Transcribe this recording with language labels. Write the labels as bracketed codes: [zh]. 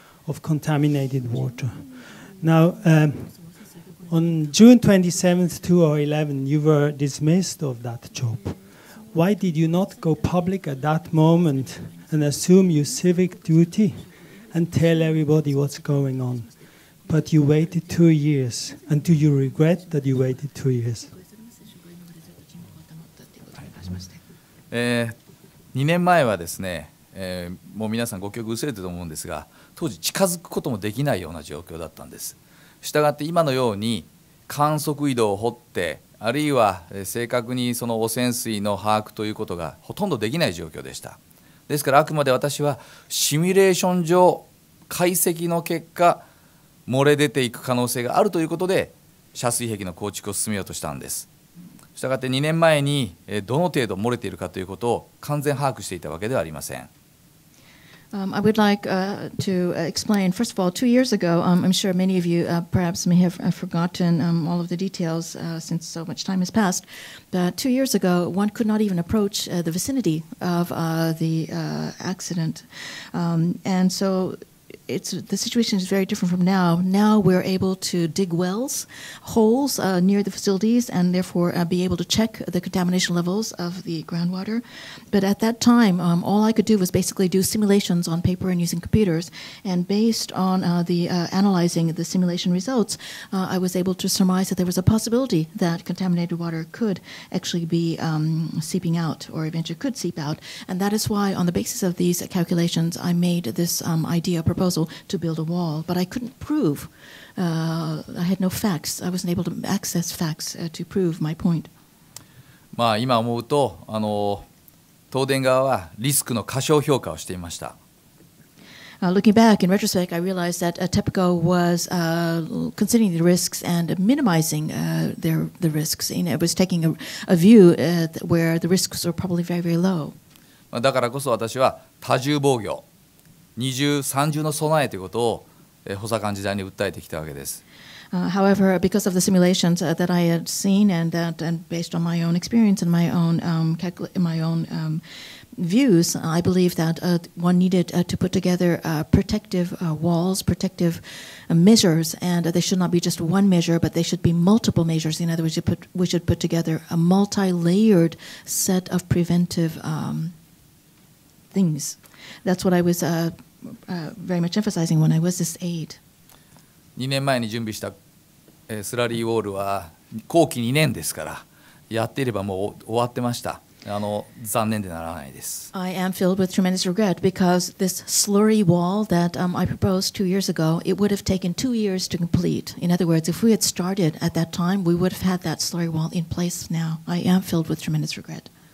[en] Of contaminated water. Now, on June 27th, 2011, you were dismissed of that job. Why did you not go public at that moment and assume your civic duty and tell everybody what's going on? But you waited 2 years. And do you regret that you waited 2 years? [ja] 2年前はですね、もう皆さんご記憶薄れてると思うんですが、当時近づくこともできないような状況だったんです。したがって今のように観測井戸を掘って、あるいは正確にその汚染水の把握ということがほとんどできない状況でした。ですからあくまで私はシミュレーション上解析の結果漏れ出ていく可能性があるということで遮水壁の構築を進めようとしたんです。したがって2年前にどの程度漏れているかということを完全把握していたわけではありません。 [en] I would like to explain. First of all, 2 years ago, I'm sure many of you perhaps may have forgotten all of the details since so much time has passed. But 2 years ago, one could not even approach the vicinity of the accident. And so the situation is very different from now. Now we're able to dig wells, holes near the facilities, and therefore be able to check the contamination levels of the groundwater. But at that time, all I could do was basically do simulations on paper and using computers. And based on analyzing the simulation results, I was able to surmise that there was a possibility that contaminated water could actually be seeping out, or eventually could seep out. And that is why, on the basis of these calculations, I made this idea proposal. To build a wall, but I couldn't prove. I had no facts. I wasn't able to access facts to prove my point. [ja] まあ今思うと、東電側はリスクの過小評価をしていました。 [en] Looking back in retrospect, I realized that TEPCO was considering the risks and minimizing the risks. And it was taking a view where the risks were probably very, very low. [ja] まあだからこそ私は多重防御。二重三重の備えということを補佐官時代に訴えてきたわけです。 [en] However, because of the simulations that I had seen and that and based on my own experience and my own views, I believe that one needed to put together protective walls, protective measures, and they should not be just one measure, but they should be multiple measures. In other words, we should put together a multi-layered set of preventive things. That's what I was. Very much emphasizing when I was this aid. [ja] 2年前に準備したスラリーウォールは工期2年ですから、やっていればもう終わってました。残念でならないです。 [en] I am filled with tremendous regret because this slurry wall that I proposed 2 years ago, it would have taken 2 years to complete. In other words, if we had started at that time, we would have had that slurry wall in place now. I am filled with tremendous regret.